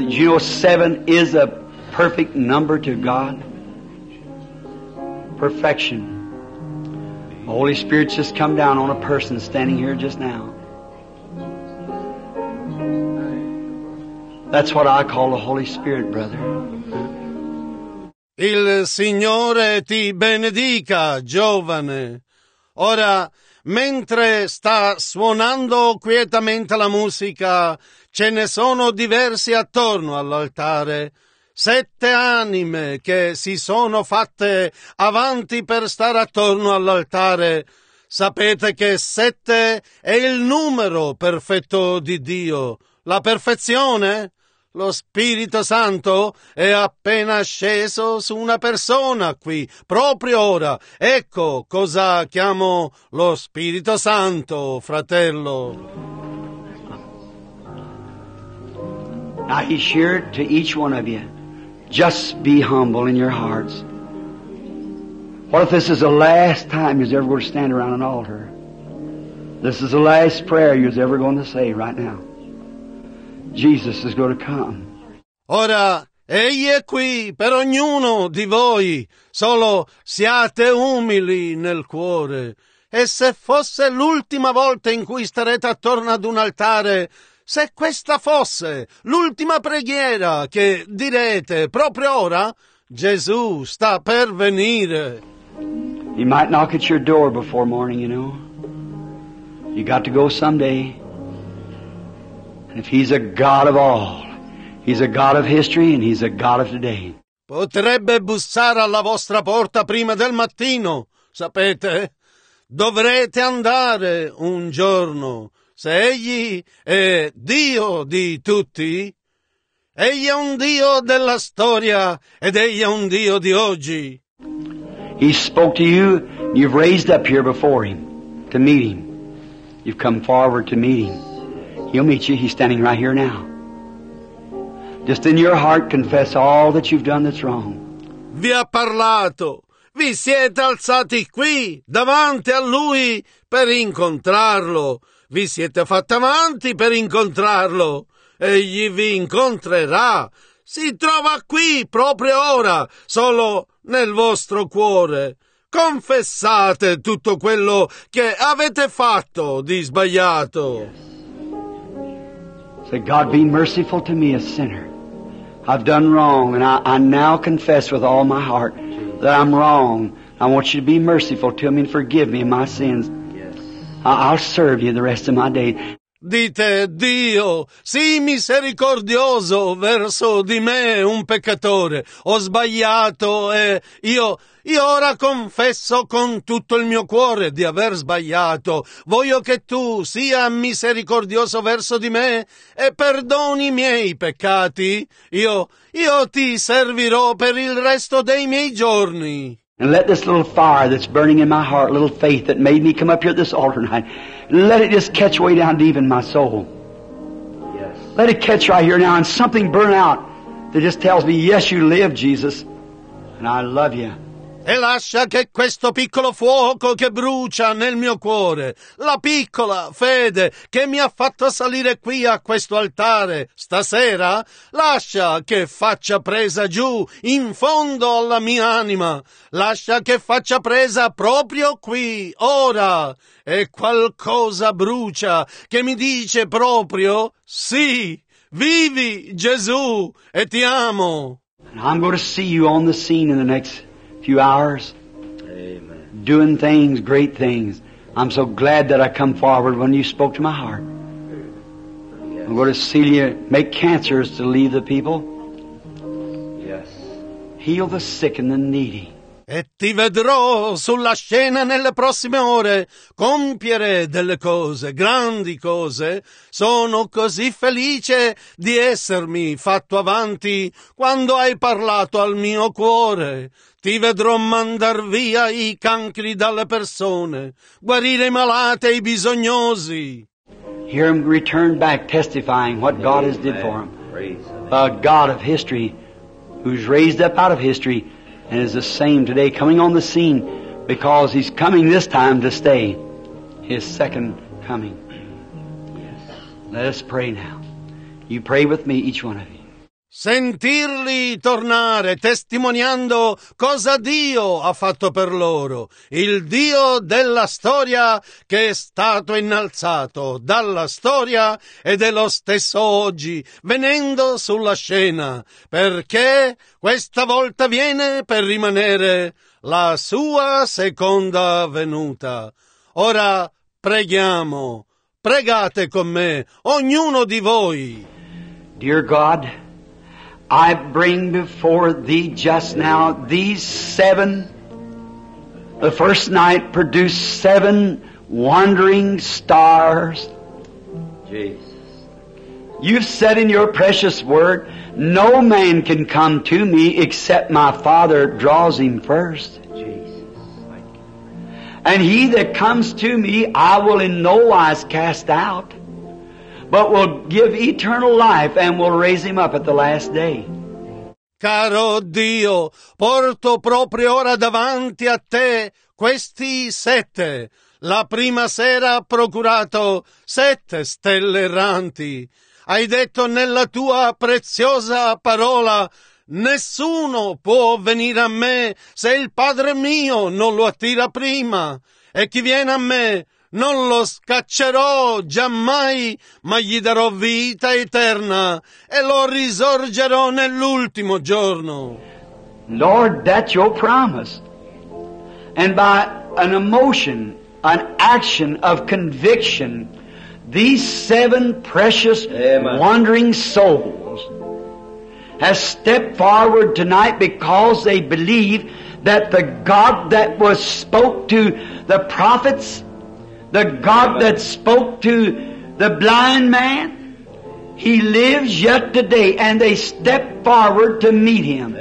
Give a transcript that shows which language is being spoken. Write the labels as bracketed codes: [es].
[en] You know, seven is a perfect number to God. Perfection. The Holy Spirit's just come down on a person standing here just now. That's what I call the Holy Spirit, brother. [it] Il Signore ti benedica, giovane. Ora, mentre sta suonando quietamente la musica, ce ne sono diversi attorno all'altare. Sette anime che si sono fatte avanti per stare attorno all'altare. Sapete che sette è il numero perfetto di Dio. La perfezione? Lo Spirito Santo è appena sceso su una persona qui, proprio ora. Ecco cosa chiamo lo Spirito Santo, fratello. [en] Now he's here to each one of you. Just be humble in your hearts. What if this is the last time you're ever going to stand around an altar? This is the last prayer you're ever going to say right now. Jesus is going to come. [it] Ora, Egli è qui per ognuno di voi. Solo siate umili nel cuore. E se fosse l'ultima volta in cui starete attorno ad un altare, se questa fosse l'ultima preghiera che direte proprio ora, Gesù sta per venire. [en] He might knock at your door before morning, you know. You got to go someday. If he's a God of all, he's a God of history and he's a God of today. [it] Potrebbe bussare alla vostra porta prima del mattino, sapete? Dovrete andare un giorno. Se egli è Dio di tutti, egli è un Dio della storia ed egli è un Dio di oggi. [en] He spoke to you, you've raised up here before him to meet him. You've come forward to meet him. He'll meet you. He's standing right here now. Just in your heart, confess all that you've done that's wrong. [it] Vi ha parlato. Vi siete alzati qui, davanti a lui, per incontrarlo. Vi siete fatti avanti per incontrarlo. Egli vi incontrerà. Si trova qui, proprio ora, solo nel vostro cuore. Confessate tutto quello che avete fatto di sbagliato. [en] Yes. Say, God, be merciful to me, a sinner. I've done wrong, and I now confess with all my heart that I'm wrong. I want you to be merciful to me and forgive me of my sins. Yes. I'll serve you the rest of my day. [it] Dite, Dio, sii misericordioso verso di me, un peccatore. Ho sbagliato e io ora confesso con tutto il mio cuore di aver sbagliato. Voglio che tu sia misericordioso verso di me e perdoni i miei peccati. Io ti servirò per il resto dei miei giorni. [en] And let this little fire that's burning in my heart, little faith that made me come up here at this altar tonight, let it just catch way down deep in my soul. Yes. Let it catch right here now and something burn out that just tells me, yes, you live, Jesus, and I love you. [it] E lascia che questo piccolo fuoco che brucia nel mio cuore, la piccola fede che mi ha fatto salire qui a questo altare stasera, lascia che faccia presa giù in fondo alla mia anima, lascia che faccia presa proprio qui, ora. E qualcosa brucia che mi dice proprio sì, vivi Gesù e ti amo. [en] I'm going to see you on the scene in the next few hours. Amen. Doing things, great things. I'm so glad that I come forward when you spoke to my heart. Yes. I'm going to see you make cancers to leave the people. Yes. Heal the sick and the needy. [it] E ti vedrò sulla scena nelle prossime ore compiere delle cose, grandi cose. Sono così felice di essermi fatto avanti quando hai parlato al mio cuore. Ti vedrò mandar via i cancri dalle persone, guarire i malati e i bisognosi. [en] Hear him return back testifying what God has did for him. A God of history who's raised up out of history and is the same today coming on the scene because he's coming this time to stay. His second coming. Let us pray now. You pray with me, each one of you. [it] Sentirli tornare testimoniando cosa Dio ha fatto per loro, il Dio della storia che è stato innalzato dalla storia ed è lo stesso oggi venendo sulla scena, perché questa volta viene per rimanere la sua seconda venuta. Ora preghiamo, pregate con me, ognuno di voi. [en] Dear God, I bring before thee just now these seven. The first night produced seven wandering stars. Jesus. You've said in your precious word, no man can come to me except my Father draws him first. Jesus. And he that comes to me, I will in no wise cast out, but will give eternal life and will raise him up at the last day. [it] Caro Dio, porto proprio ora davanti a te questi sette. La prima sera ha procurato sette stelle erranti. Hai detto nella tua preziosa parola, nessuno può venire a me se il Padre mio non lo attira prima. E chi viene a me non lo scaccerò giammai, ma gli darò vita eterna e lo risorgerò nell'ultimo giorno. [en] Lord, that's your promise. And by an emotion, an action of conviction, these seven precious wandering souls have stepped forward tonight because they believe that the God that was spoke to the prophets, the God that spoke to the blind man, he lives yet today, and they step forward to meet him.